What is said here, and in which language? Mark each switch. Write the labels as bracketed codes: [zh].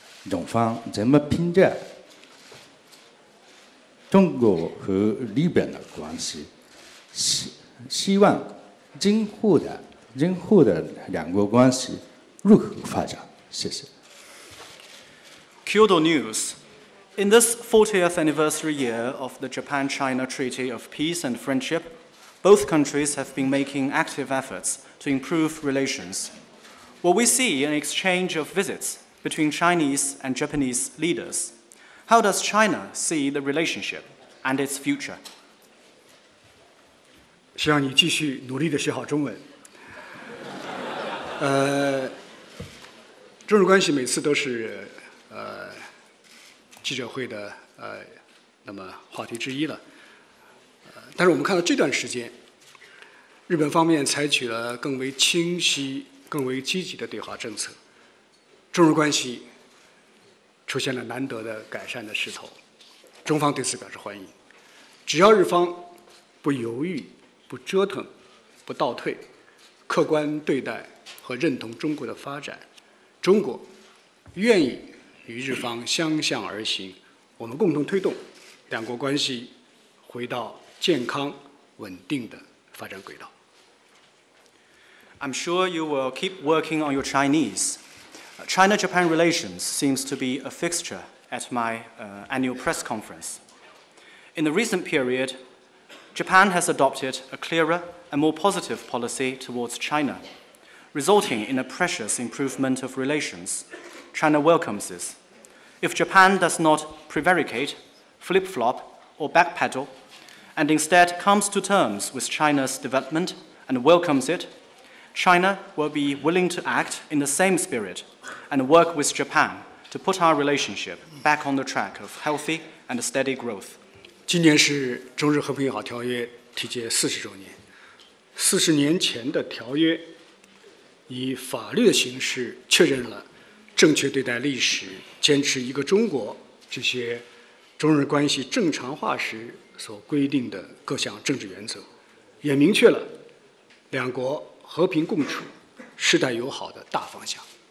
[zh] 中方怎么评价中国和日本的关系？希望今后的两国关系如何发展？谢谢。 [en] Kyoto News. In this 40th anniversary year of the Japan-China Treaty of Peace and Friendship, both countries have been making active efforts to improve relations. Will we see an exchange of visits between Chinese and Japanese leaders? How does China see the relationship and its future? [zh] 希望你继续努力地学好中文。中日关系每次都是记者会的那么话题之一了。但是我们看到这段时间，日本方面采取了更为清晰、更为积极的对华政策，中日关系出现了难得的改善的势头，中方对此表示欢迎。只要日方不犹豫、不折腾、不倒退，客观对待和认同中国的发展，中国愿意与日方相向而行，我们共同推动两国关系回到健康稳定的发展轨道。 [en] I'm sure you will keep working on your Chinese. China-Japan relations seems to be a fixture at my annual press conference. In the recent period, Japan has adopted a clearer and more positive policy towards China, resulting in a precious improvement of relations. China welcomes this. If Japan does not prevaricate, flip-flop, or backpedal, and instead comes to terms with China's development and welcomes it, China will be willing to act in the same spirit and work with Japan to put our relationship back on the track of healthy and steady growth. [zh] 今年是中日和平友好条约缔结40周年。 40年前的条约以法律的形式确认了正确对待历史、坚持一个中国这些中日关系正常化时所规定的各项政治原则，也明确了两国和平共处、世代友好的大方向。